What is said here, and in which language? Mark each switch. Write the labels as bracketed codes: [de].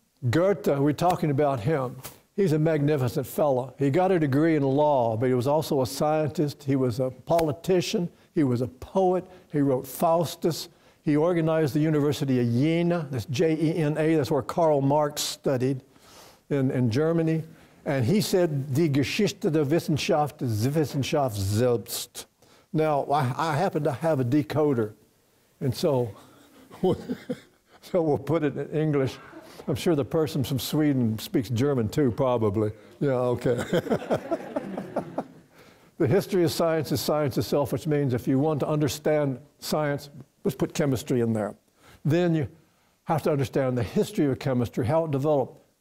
[en] Goethe, we're talking about him. He's a magnificent fellow. He got a degree in law, but he was also a scientist. He was a politician. He was a poet. He wrote Faustus. He organized the University of Jena, that's J-E-N-A, that's where Karl Marx studied in Germany. And he said, [de] die Geschichte der Wissenschaft ist die Wissenschaft selbst. [en] Now, I happen to have a decoder, and so we'll put it in English. I'm sure the person from Sweden speaks German too, probably. Yeah, okay. The history of science is science itself, which means if you want to understand science, let's put chemistry in there. Then you have to understand the history of chemistry, how it developed,